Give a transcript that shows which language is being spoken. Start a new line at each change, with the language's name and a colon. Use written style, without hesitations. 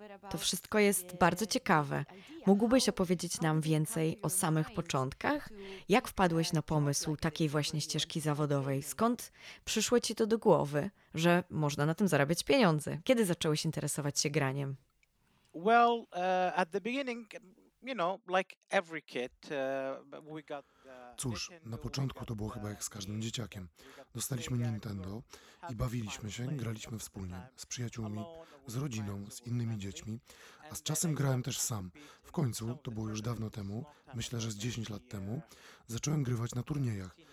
Polish: To wszystko jest bardzo ciekawe. Mógłbyś opowiedzieć nam więcej o samych początkach? Jak wpadłeś na pomysł takiej właśnie ścieżki zawodowej? Skąd przyszło ci to do głowy, że można na tym zarabiać pieniądze? Kiedy zacząłeś interesować się graniem?
English: Well, at the beginning, you know, like every kid, we got.
Polish: Cóż, na początku to było chyba jak z każdym dzieciakiem. Dostaliśmy Nintendo i bawiliśmy się, graliśmy wspólnie, z przyjaciółmi, z rodziną, z innymi dziećmi, a z czasem grałem też sam. W końcu, to było już dawno temu, myślę, że z 10 lat temu, zacząłem grywać na turniejach.